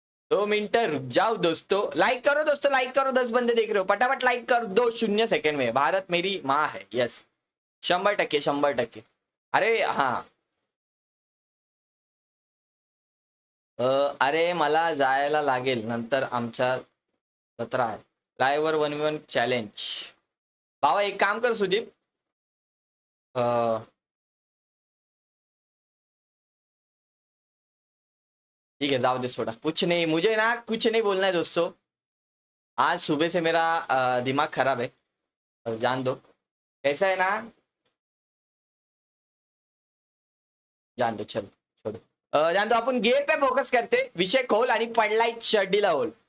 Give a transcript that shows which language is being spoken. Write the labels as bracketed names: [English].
[Hindi] दो मिनट रुक जाओ दोस्तों, लाइक करो दोस्तों, लाइक करो। 10 बंदे देख रहे हो, फटाफट लाइक कर दो 0 सेकंड में। भारत मेरी माँ है, यस 100%, 100%। [Marathi] अरे हाँ, अरे मला जायला लागेल नंतर, आमचा सत्र आहे लाईव्हवर 1v1 चॅलेंज। [Hindi] बाबा एक काम कर सुदीप, ठीक है जाओ दे सोडा। कुछ नहीं, मुझे ना कुछ नहीं बोलना है दोस्तों, आज सुबह से मेरा दिमाग खराब है, और जान दो कैसा है ना, जान दो। चल छोड़ो, जान दो। अपन गेम पे फोकस करते, [Marathi] विषय खोल आणि पडलाय चड्डीला होल।